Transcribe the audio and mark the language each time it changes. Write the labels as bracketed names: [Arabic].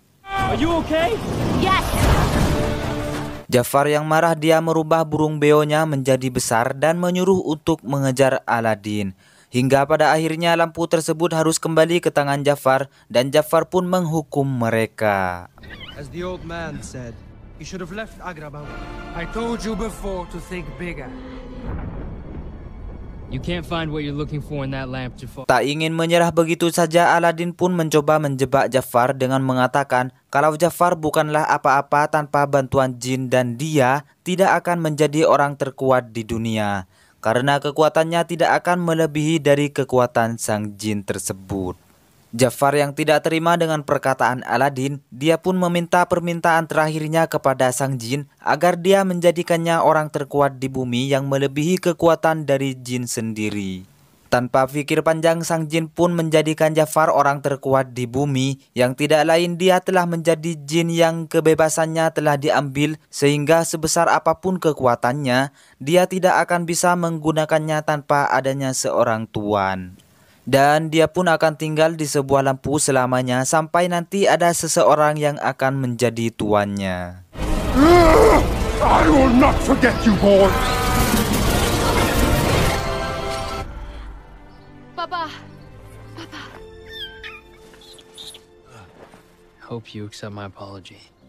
[English] Are you okay? Yes. [Indonesian] Jafar yang marah, dia merubah burung beonya menjadi besar dan menyuruh untuk mengejar Aladdin. Hingga pada akhirnya lampu tersebut harus kembali ke tangan Jafar dan Jafar pun menghukum mereka. [English] As the old man said, you should have left Agrabah. I told you before to think bigger. You can't find what you're looking for in that lamp, Jafar. [Indonesian] Tak ingin menyerah begitu saja, Aladdin pun mencoba menjebak Jafar dengan mengatakan kalau Jafar bukanlah apa-apa tanpa bantuan jin dan dia tidak akan menjadi orang terkuat di dunia. Karena kekuatannya tidak akan melebihi dari kekuatan sang jin tersebut. Jafar yang tidak terima dengan perkataan Aladdin, dia pun meminta permintaan terakhirnya kepada sang jin agar dia menjadikannya orang terkuat di bumi yang melebihi kekuatan dari jin sendiri. Tanpa pikir panjang, sang jin pun menjadikan Jafar orang terkuat di bumi, yang tidak lain dia telah menjadi jin yang kebebasannya telah diambil, sehingga sebesar apapun kekuatannya, dia tidak akan bisa menggunakannya tanpa adanya seorang tuan. Dan dia pun akan tinggal di sebuah lampu selamanya sampai nanti ada seseorang yang akan menjadi tuannya. [English] I will not forget you, boy. Papa. Hope you accept my apology.